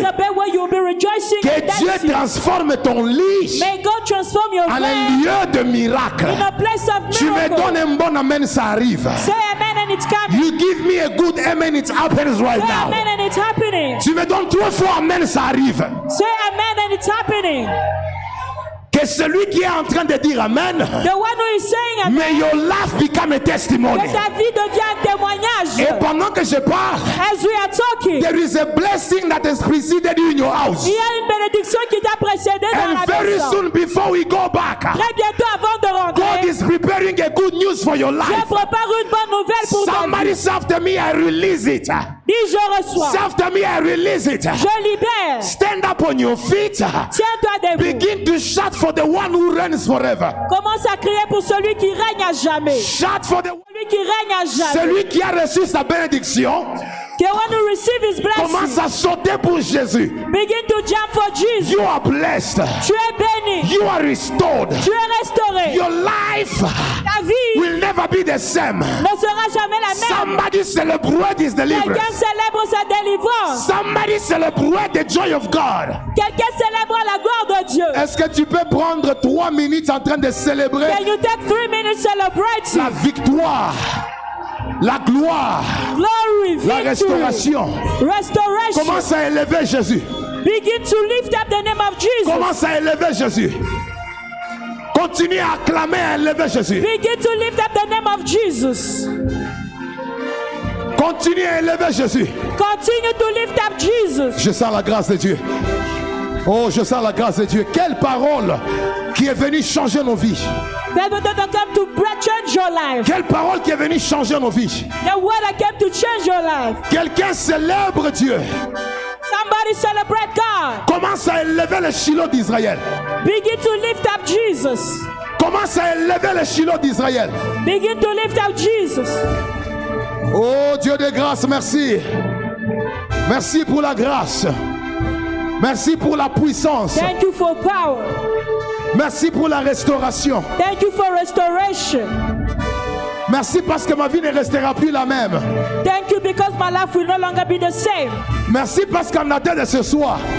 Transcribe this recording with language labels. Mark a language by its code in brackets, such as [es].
[en] A bed where you'll be rejoicing [fr] que Dieu [en] dancing. [fr] Transforme ton lit [en] May God transform your [fr] en un lieu de miracle. [en] In a place of miracle. [fr] Tu me donnes un bon amen, ça arrive. [en] Say amen and it's coming. You give me a good amen, it happens right Say now. Amen and it's happening. [fr] Tu me donnes trois fois amen, ça arrive. [en] Say amen and it's happening. [fr] Que celui qui est en train de dire Amen, [en] the one who is saying amen may your life become a testimony. [fr] Que ta vie devient un témoignage. Et pendant que je parle, [en] As we are talking, there is a blessing that has preceded you in your house. [fr] Il y a une bénédiction qui t'a précédé dans [en] And [fr] la maison. [en] And very soon before we go back, [fr] très bientôt avant de rentrer, [en] God is preparing a good news for your life. [fr] Je prépare une bonne nouvelle pour [en] Somebody Say after me, I release it. [fr] Dis je reçois. [en] Say after me, I release it. [fr] Je libère. [en] Stand up on your feet. [fr] Tiens-toi debout. [en] Begin to shout. For the one who reigns forever. [fr] Commence à crier pour celui qui règne à jamais. [en] Shout for the [fr] celui qui règne à jamais. Celui qui a reçu sa bénédiction. [en] The one who receives his blessing. [fr] Commence à sauter pour Jésus. [en] Begin to jump for Jesus. You are blessed. [fr] Tu es béni. [en] You are restored. [fr] Tu es restauré. [en] Your life [fr] Ta vie [en] will never be the same. [fr] Ne sera jamais la même. [en] Somebody celebrate his deliverance. [fr] Quelqu'un célèbre sa délivrance. [en] Somebody celebrate the joy of God. [fr] Quelqu'un célèbre la gloire de Dieu. Est-ce que tu peux prendre 3 minutes en train de célébrer? [en] Can you take 3 minutes celebrating? [fr] La victoire. La gloire, [en] Glory, victory, [fr] la restauration. [en] Restoration. [fr] Commence à élever Jésus. [en] Begin to lift up the name of Jesus. [fr] Commence à élever Jésus. Continue à acclamer, à élever Jésus. [en] Begin to lift up the name of Jesus. [fr] Continue à élever Jésus. [en] Continue to lift up Jesus. [fr] Je sens la grâce de Dieu. Oh, je sens la grâce de Dieu. Quelle parole qui est venue changer nos vies. [en] The word that came to change your life. [fr] Quelle parole qui est venue changer nos vies? [en] The word that came to change your life. [fr] Quelqu'un célèbre Dieu. [en] Somebody celebrate God. [fr] Commence à élever le Shiloh d'Israël. [en] Begin to lift up Jesus. [fr] Commence à élever le Shiloh d'Israël. [en] Begin to lift up Jesus. [fr] Oh Dieu de grâce, merci. Merci pour la grâce. Merci pour la puissance. [en] Thank you for power. [fr] Merci pour la restauration. [en] Thank you for restoration. [fr] Merci parce que ma vie ne restera plus la même. [en] Thank you because my life will no longer be the same. [fr] Merci parce qu'en attendant de ce soir.